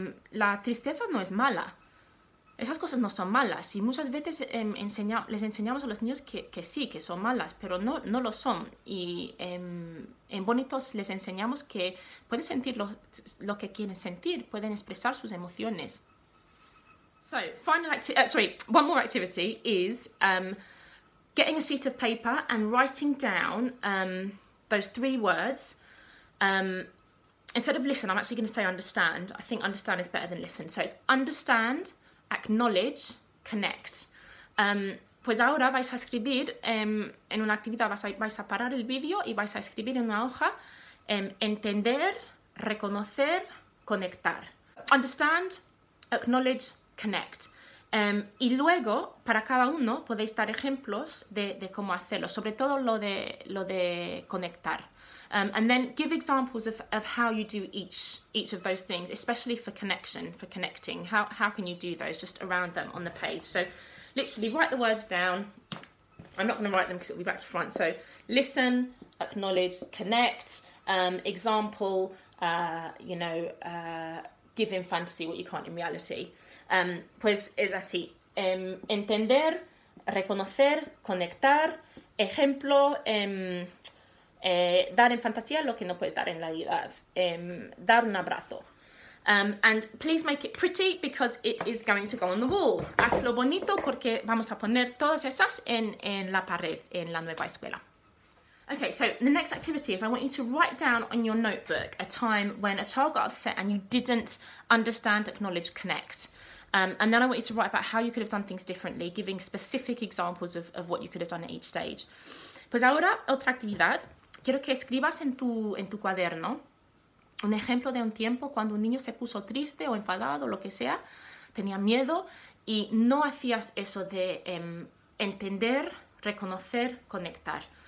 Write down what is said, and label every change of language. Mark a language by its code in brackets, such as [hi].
[es] La tristeza no es mala. Esas cosas no son malas y muchas veces les enseñamos a los niños que sí, que son malas, pero no lo son. Y en Bonitos les enseñamos que pueden sentir lo que quieren sentir, pueden expresar sus emociones. [en] So, final one more activity is getting a sheet of paper and writing down those three words. Instead of listen, I'm actually going to say understand. I think understand is better than listen. So it's understand, acknowledge, connect. [es] Pues ahora vais a escribir en una actividad, vais a parar el vídeo y vais a escribir en una hoja entender, reconocer, conectar. [en] Understand, acknowledge, connect. [es] Y luego, para cada uno, podéis dar ejemplos de cómo hacerlo, sobre todo lo de conectar. [en] And then give examples of how you do each of those things, especially for connecting. How can you do those just around them on the page? So literally write the words down. I'm not going to write them because it'll be back to front. So listen, acknowledge, connect, example, give in fantasy what you can't in reality. [es] Pues es así. Entender, reconocer, conectar, ejemplo, dar en fantasía lo que no puedes dar en realidad. Dar un abrazo. [en] And please make it pretty because it is going to go on the wall. [es] Hazlo bonito porque vamos a poner todas esas en la pared en la nueva escuela. [en] Okay, so the next activity is I want you to write down on your notebook a time when a child got upset and you didn't understand, acknowledge, connect. And then I want you to write about how you could have done things differently, giving specific examples of what you could have done at each stage. [es] Pues ahora, otra actividad. Quiero que escribas en tu cuaderno un ejemplo de un tiempo cuando un niño se puso triste o enfadado, lo que sea, tenía miedo y no hacías eso de entender, reconocer, conectar.